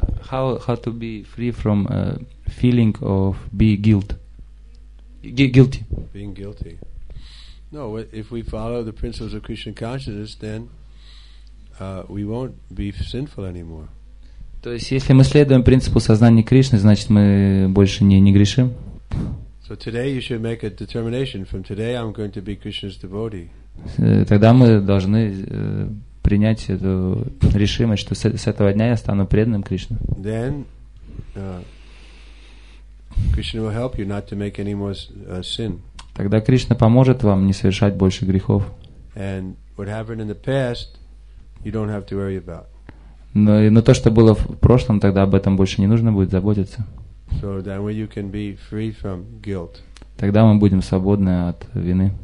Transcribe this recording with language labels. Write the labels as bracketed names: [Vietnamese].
[English] How to be free from feeling of guilty. Being guilty. No, if we follow the principles of Krishna consciousness, then we won't be sinful anymore. [Russian] То есть, если мы следуем принципу сознания Кришны, значит, мы больше не грешим. [English] So today you should make a determination. From today I'm going to be Krishna's devotee. [Russian] Тогда мы должны принять эту решимость, что с этого дня я стану преданным Кришне. [English] Then Krishna will help you not to make any more sin. [Russian] Тогда Кришна поможет вам не совершать больше грехов. [English] And what happened in the past, you don't have to worry about. [Russian] Но то, что было в прошлом, тогда об этом больше не нужно будет заботиться. [English] So that way you can be free from guilt. [Russian] Тогда мы будем свободны от вины.